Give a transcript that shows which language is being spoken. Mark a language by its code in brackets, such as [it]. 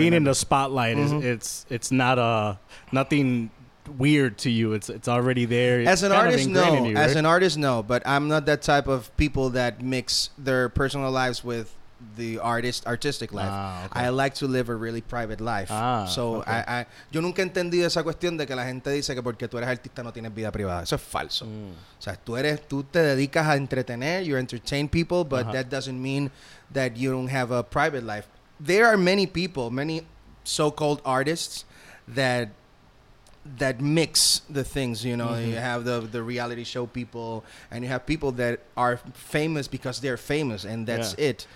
[en] So being in the spotlight, it's not nothing weird to you. It's already there. As an artist, no. As an artist, no. But I'm not that type of people that mix their personal lives with the artistic life. I like to live a really private life. [es] Yo nunca he entendido esa cuestión de que la gente dice que porque tú eres artista no tienes vida privada. Eso es falso. Mm. O sea, tú te dedicas a entretener, [en] you entertain people, but that doesn't mean that you don't have a private life. There are many people, many so-called artists that mix the things, you know. Mm-hmm. You have the reality show people, and you have people that are famous because they're famous, and that's it.